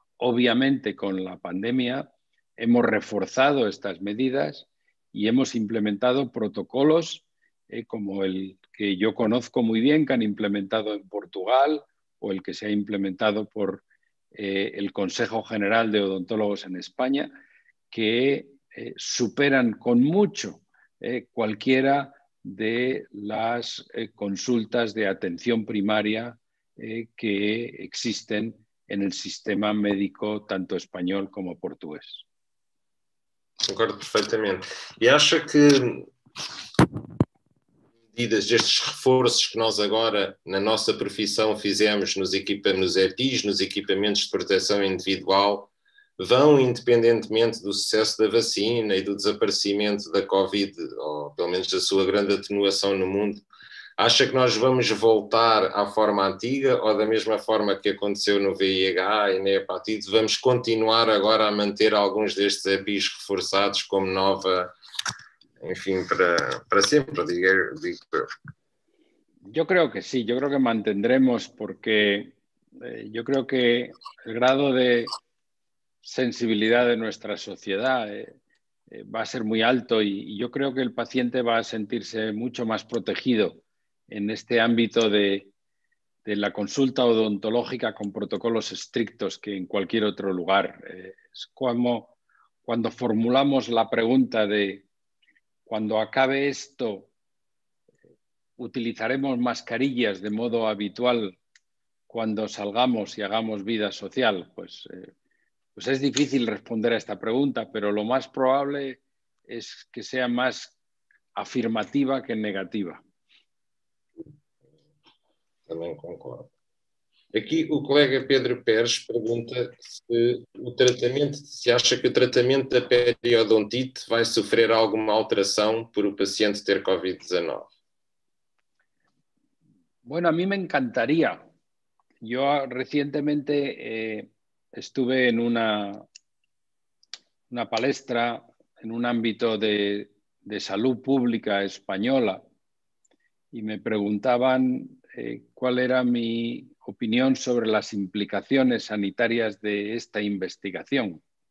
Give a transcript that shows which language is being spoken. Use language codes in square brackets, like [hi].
[es] Obviamente, con la pandemia hemos reforzado estas medidas y hemos implementado protocolos como el que yo conozco muy bien, que han implementado en Portugal o el que se ha implementado por el Consejo General de Odontólogos en España, que superan con mucho cualquiera de las consultas de atención primaria que existen en el sistema médico tanto español como portugués. [pt] Concordo perfeitamente. E acha que medidas, destes reforços que nós agora, na nossa profissão, fizemos nos EPIs, nos equipamentos de proteção individual, vão, independentemente do sucesso da vacina e do desaparecimento da Covid, ou pelo menos da sua grande atenuação no mundo, acha que nós vamos voltar à forma antiga ou, da mesma forma que aconteceu no VIH e na hepatite, vamos continuar agora a manter alguns destes EPIs reforçados como nova, enfim, para sempre, digo eu. [es] Yo creo que sí, yo creo que mantendremos porque yo creo que el grado de sensibilidad de nuestra sociedad va a ser muy alto y yo creo que el paciente va a sentirse mucho más protegido en este ámbito de la consulta odontológica con protocolos estrictos que en cualquier otro lugar. Es como cuando formulamos la pregunta de cuando acabe esto, utilizaremos mascarillas de modo habitual cuando salgamos y hagamos vida social? Pues es difícil responder a esta pregunta, pero lo más probable es que sea más afirmativa que negativa. También [pt] concordo. Aquí o colega Pedro Pérez pergunta se o tratamento, se acha que o tratamento da periodontite vai sofrer alguma alteração por o paciente ter COVID-19. [es] Bueno, a mí me encantaría. Yo recientemente estuve en una palestra en un ámbito de salud pública española y me preguntaban cuál era mi opinión sobre las implicaciones sanitarias de esta investigación.